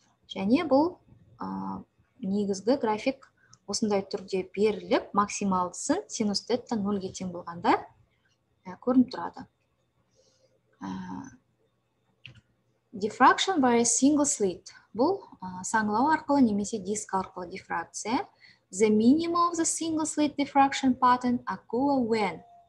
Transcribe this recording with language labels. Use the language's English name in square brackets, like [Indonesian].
[Kazakh] Және бұл негізгі график осындай түрде беріліп, максималдысын синус тетта 0-ге тең болғанда көрініп тұрады. [English] Diffraction by a single slit. [Kazakh] Бұл саңлау арқылы немесе диск арқылы дифракция. [English] The minimum of the single slit diffraction pattern occur when.